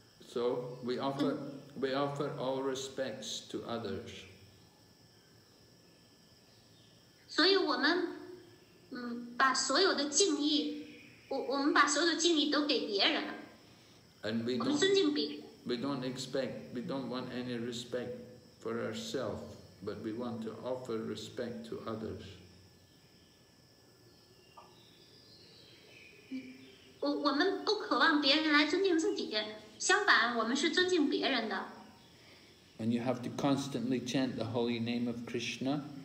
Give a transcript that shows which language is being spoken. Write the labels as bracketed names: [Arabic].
[English] So we offer all respects to others. [Chinese] 所以我们把所有的敬意我们把所有的敬意都给别人了。 [English] And we [Chinese] 我们尊敬别人。 [English] We don't want any respect for ourselves, but we want to offer respect to others. [Chinese] 我们不渴望别人来尊敬自己，相反我们是尊敬别人的。 [English] And you have to constantly chant the holy name of Krishna.